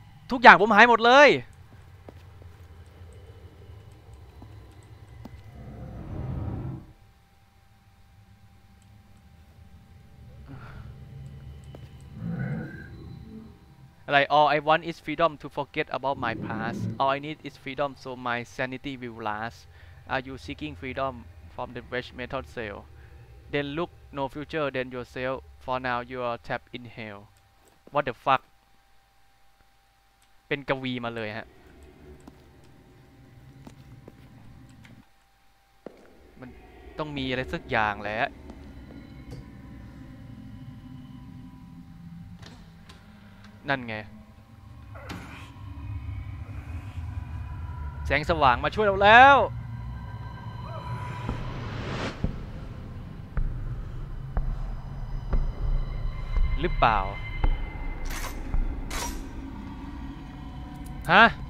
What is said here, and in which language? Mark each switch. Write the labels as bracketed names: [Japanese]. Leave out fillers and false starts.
[Thai] ทุกอย่างผมหายหมดเลย [English] All I want is freedom to forget about my past. All I need is freedom so my sanity will last. Are you seeking freedom from the wretch method cell? Then look no future than yourself. For now you are trapped in hell. What the fuck? [Thai] เป็นกวีมาเลยฮะมันต้องมีอะไรสักอย่างแหละ นั่นไงแสงสว่างมาช่วยเราแล้วหรือเปล่าฮะ